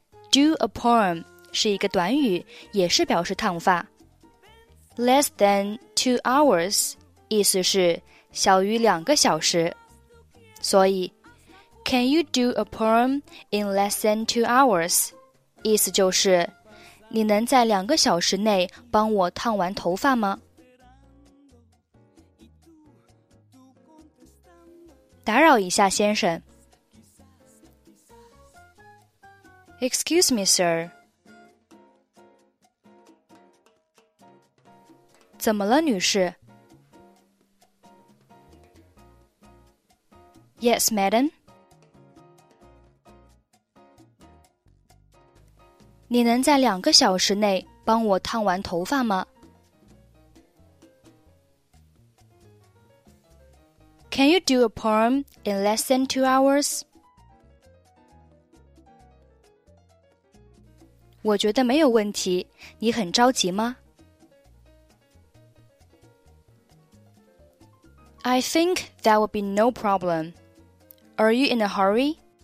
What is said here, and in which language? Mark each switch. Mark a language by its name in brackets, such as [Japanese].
[English] Do a poem [Chinese] 是一个短语，也是表示烫发。 [English] Less than 2 hours, [Chinese] 意思是小于2小时。 [English] 所以 ,Can you do a poem in less than 2 hours? [Chinese] 意思就是你能在2小时内帮我烫完头发吗？打扰一下，先生。 [English] Excuse me, sir. [Chinese] 怎么了，女士 [English] ？Yes, madam. [Chinese] 你能在2小时内帮我烫完头发吗 [English] ?Can you do a perm in less than 2 hours? [Chinese] 我觉得没有问题，你很着急吗 [English] ?I think that would be no problem. Are you in a hurry?